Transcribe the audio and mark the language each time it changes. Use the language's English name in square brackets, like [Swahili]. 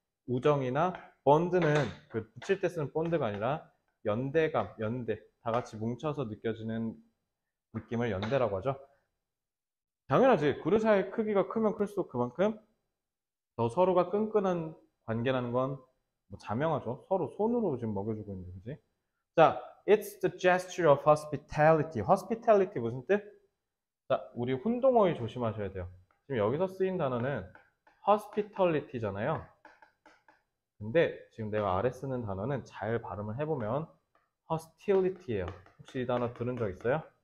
[Korean] 우정이나 본드는, 그 붙일 때 쓰는 본드가 아니라 연대감, 연대, 다 같이 뭉쳐서 느껴지는 느낌을 연대라고 하죠. 당연하지. 그루샤의 크기가 크면 클수록 그만큼 더 서로가 끈끈한 관계라는 건뭐 자명하죠. 서로 손으로 지금 먹여주고 있는 거지. [English] 자, it's the gesture of hospitality. [Korean] Hospitality 무슨 뜻? 자, 우리 혼동어휘 조심하셔야 돼요. 지금 여기서 쓰인 단어는 hospitality잖아요. 근데 지금 내가 아래 쓰는 단어는 잘 발음을 해보면 hostility예요. 혹시 이 단어 들은 적 있어요?